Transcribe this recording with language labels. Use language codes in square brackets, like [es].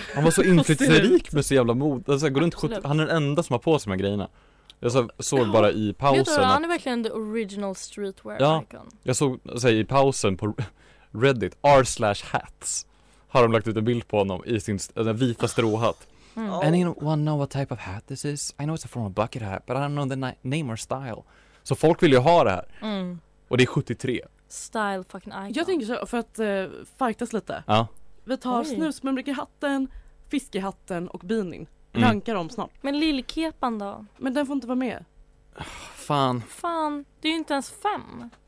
[sv] Han var så inflytelserik med så jävla mod. Alltså, går runt 70, han är den enda som har på sig de här grejerna. Jag såg bara i pausen... Vet du, han är verkligen [en] the original streetwear [sv] icon. Ja, jag såg alltså, i pausen på Reddit, r/hats, har de lagt ut en bild på honom i sin vita stråhatt. Mm. [en] Anyone know what type of hat this is? I know it's a form of bucket hat, but I don't know the name or style. [sv] Så folk vill ju ha det här. Mm. Och det är 73. [en] Style fucking icon. [sv] Jag tänker så, för att fightas lite. Ja. Vi tar snusmumrikehatten, fiskehatten och binin. Rankar dem snart. Men lillkepan då? Men den får inte vara med. Fan. Fan, det är ju inte ens fem.